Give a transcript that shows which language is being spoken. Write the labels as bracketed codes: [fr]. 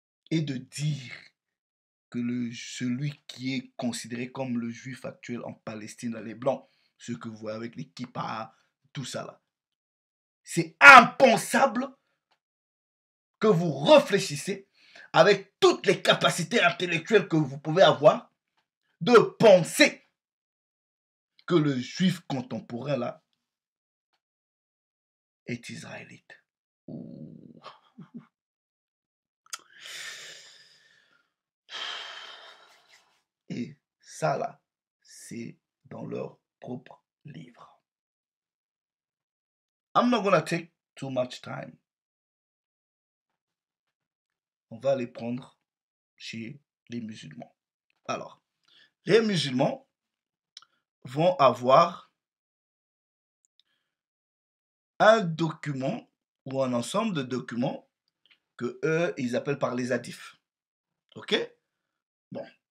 [fr] et de dire que celui qui est considéré comme le juif actuel en Palestine, là, les blancs, ce que vous voyez avec les kippas, tout ça là, c'est impensable que vous réfléchissez avec toutes les capacités intellectuelles que vous pouvez avoir de penser que le juif contemporain là est israélite. Ouh. Et ça là, c'est dans leur propre livre. [en] I'm not gonna take too much time. [fr] On va les prendre chez les musulmans. Alors, les musulmans vont avoir un document ou un ensemble de documents que eux, ils appellent par les hadiths. OK? Bon.